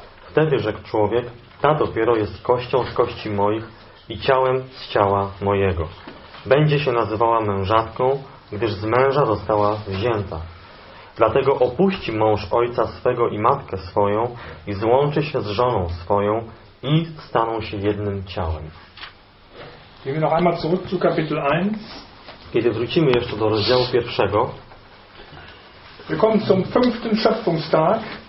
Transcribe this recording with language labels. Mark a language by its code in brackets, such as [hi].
[pl] Wtedy rzekł człowiek: ta dopiero jest kością z kości moich i ciałem z ciała mojego. Będzie się nazywała mężatką, gdyż z męża została wzięta. Dlatego opuści mąż ojca swego i matkę swoją i złączy się z żoną swoją i staną się jednym ciałem. [de] Gehen wir noch einmal zurück zu Kapitel 1. [pl] Kiedy wrócimy jeszcze do rozdziału pierwszego, [de] willkommen zum fünften Schöpfungstag.